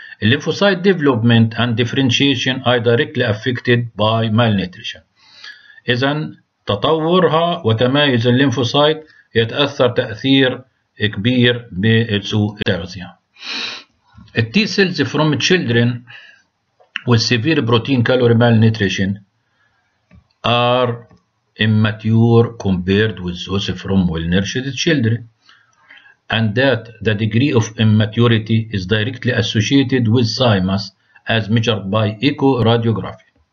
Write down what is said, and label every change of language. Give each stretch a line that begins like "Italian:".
English: Lymphocyte development and differentiation are directly affected by malnutrition.
Arabic: إذن تطورها وتمايز الليمفوسايت يتأثر تأثير كبير بسوء التغذية.
English: T cells from children with severe protein calorie malnutrition are immature compared with those from well-nourished children. And that the degree of immaturity is directly associated with thymus as measured by echoradiography.